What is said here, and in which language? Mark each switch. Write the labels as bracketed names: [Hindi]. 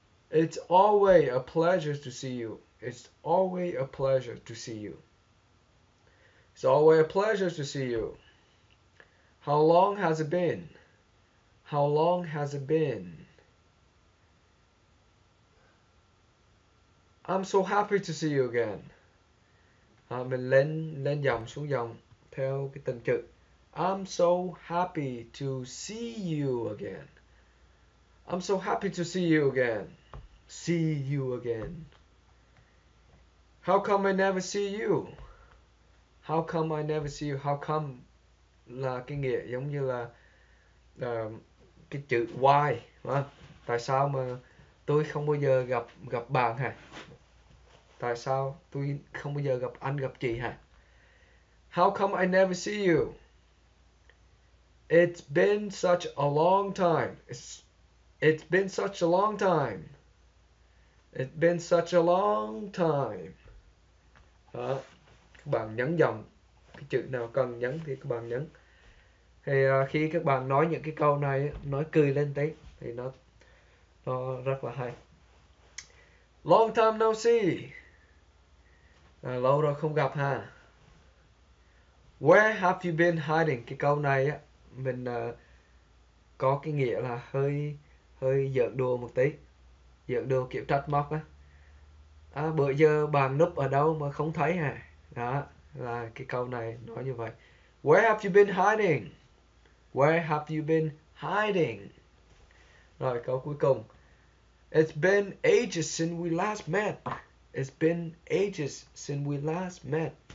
[English] It's always a pleasure to see you. It's always a pleasure to see you. It's always a pleasure to see you. How long has it been? How long has it been? I'm so happy to see you again. [Vietnamese] Mình lên lên dòng xuống dòng theo cái từng chữ. [English] I'm so happy to see you again. I'm so happy to see you again. See you again. How come I never see you? How come I never see you? How come [Vietnamese] là cái nghĩa giống như là cái chữ why hả? Tại sao mà tôi không bao giờ gặp gặp bạn hả? Tại sao tôi không bao giờ gặp anh gặp chị hả? [English] How come I never see you? It's been such a long time. It's been such a long time. It's been such a long time. [Vietnamese] Đó. Các bạn nhấn giọng, cái chữ nào cần nhấn thì các bạn nhấn. Thì khi các bạn nói những cái câu này, nói cười lên tí thì nó rất là hay. [English] Long time no see. [Vietnamese] Lâu rồi không gặp ha. [English] Where have you been hiding? [Vietnamese] Cái câu này á, mình có cái nghĩa là hơi hơi giỡn đùa một tí. Giỡn đùa kiểu trách móc á. À, bữa giờ bạn núp ở đâu mà không thấy hả? Đó, là cái câu này nói như vậy. [English] Where have you been hiding? Where have you been hiding? [Vietnamese] Rồi câu cuối cùng. [English] It's been ages since we last met. It's been ages since we last met.